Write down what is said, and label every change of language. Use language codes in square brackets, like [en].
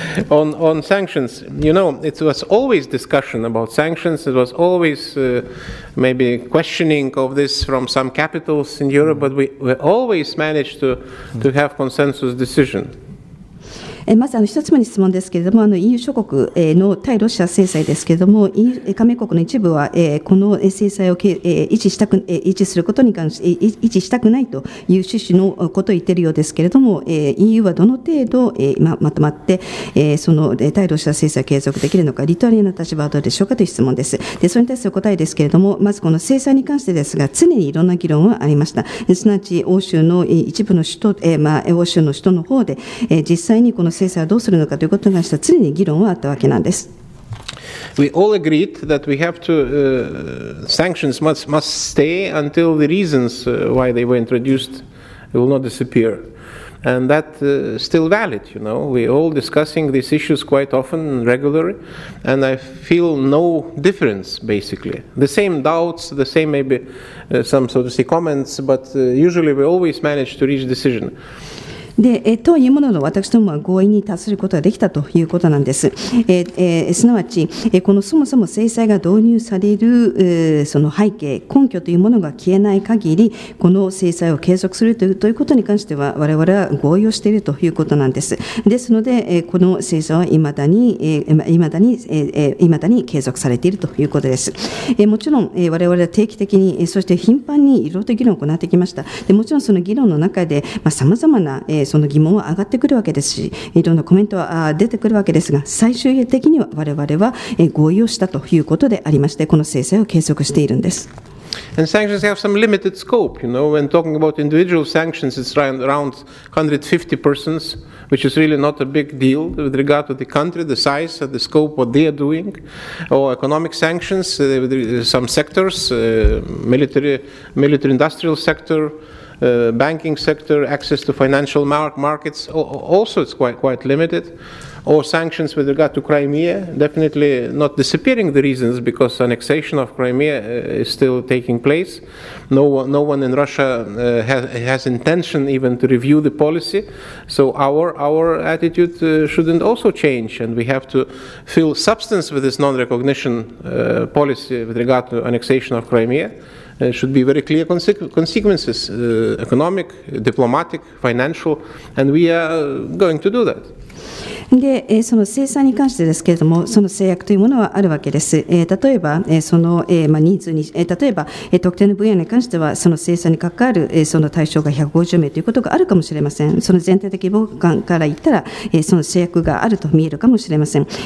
[en] on sanctions, you know, it was always discussion about sanctions. It was always maybe questioning of this from some capitals in Europe, but we always managed to have consensus decision. [ja] まず一つ目の質問ですけれども、EU 諸国の対ロシア制裁ですけれども、加盟国の一部はこの制裁を維持したくないという趣旨のことを言っているようですけれども、EU はどの程度まとまって、その対ロシア制裁を継続できるのか、リトアニアの立場はどうでしょうかという質問です。で、それに対する答えですけれども、まずこの制裁に関してですが、常にいろんな議論はありました。すなわち欧州の一部の首都、欧州の首都の方で、実際にこの制裁はどうするのかということが常に議論はあったわけなんです。 [en] We all agreed that we have to sanctions must stay until the reasons why they were introduced will not disappear, and that still valid. You know, we all discussing these issues quite often, regularly, and I feel no difference basically. The same doubts, the same maybe some sort of comments, but usually we always manage to reach decision. [ja] でというものの私どもは合意に達することができたということなんです。すなわち、このそもそも制裁が導入される、その背景、根拠というものが消えない限り、この制裁を継続するということに関しては、我々は合意をしているということなんです。ですので、この制裁はいまだに継続されているということです。もちろん、我々は定期的に、そして頻繁にいろいろと議論を行ってきました。でもちろん、その議論の中で、さまざまな、その疑問は上がってくるわけですし、いろんなコメントは出てくるわけですが、最終的には我々は合意をしたということでありまして、この制裁を継続しているんです。 [en] And sanctions have some limited scope. You know, when talking about individual sanctions, it's around 150 persons, which is really not a big deal with regard to the country, the size, the scope, what they are doing. Or economic sanctions, some sectors, military industrial sector. Banking sector, access to financial markets, also it's quite limited. Or sanctions with regard to Crimea, definitely not disappearing the reasons because annexation of Crimea is still taking place. No one in Russia has intention even to review the policy. So our attitude shouldn't also change, and we have to fill substance with this non-recognition policy with regard to annexation of Crimea. Should be very clear consequences, economic, diplomatic, financial, and we are going to do that. [ja] でその制裁に関してですけれども、その制約というものはあるわけです。例えば、その人数に、例えば、特定の分野に関しては、その制裁に関わるその対象が150名ということがあるかもしれません。その全体的規模感から言ったら、その制約があると見えるかもしれません。